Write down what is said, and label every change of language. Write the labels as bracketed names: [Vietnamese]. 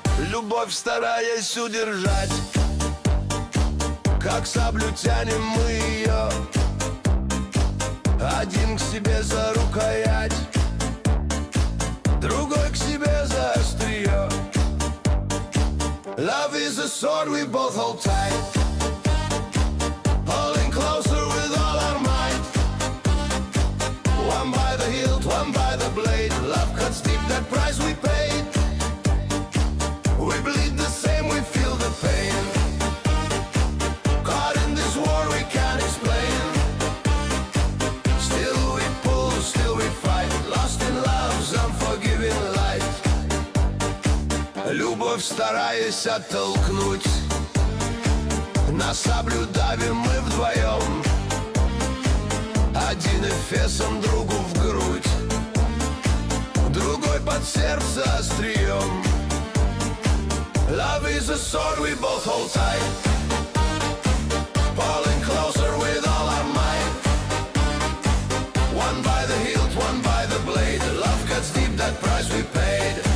[Russian] любовь стараясь удержать. Как саблю тянем мы ее, один к себе за рукоять, другой к себе за острие. [English] Love is a sword we both hold tight, pulling closer with all our might. One by the hilt, one by the blade, love cuts deep, that price we paid. We bleed the same, we feel the pain. Caught in this war we can't explain. Still we pull, still we fight, lost in love's unforgiving light. [Russian] Любовь стараясь оттолкнуть, на саблю давим мы вдвоем. Один эфесом другу в грудь, другой под сердце острием. [English] Love is a sword we both hold tight, pulling closer with all our might. One by the hilt, one by the blade, love cuts deep, that price we paid.